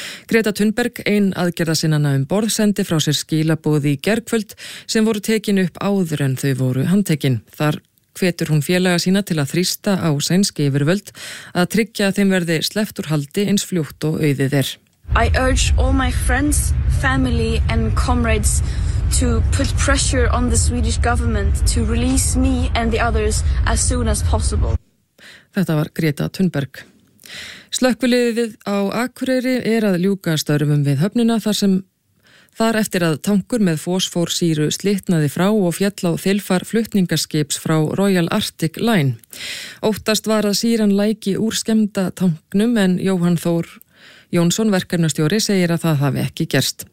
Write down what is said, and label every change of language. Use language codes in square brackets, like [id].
[is] Greta Thunberg, ein aðgerðasinnana borð, sendi frá sér skilaboð í gærkvöld sem voru tekin upp áður en þau voru handtekin. Þar hvetur hún félaga sína til að þrýsta á sænski yfirvöld að tryggja að þeim verði sleppt úr haldi eins fljótt og auðið er. [en] I urge all my friends, family and comrades to put pressure on the Swedish government to release me and the others as soon as possible. [is] Þetta var Greta Thunberg. Slökkviliðið á Akureyri er að ljúka störfum við höfnina þar sem þar eftir að tankur með fosfórsýru slitnaði frá og féll á þilfar flutningaskips frá Royal Arctic Line. Óttast var að sýran læki úr skemmda tanknum en Jóhann Þór Jónsson verkefnastjóri segir að það hafi ekki gerst.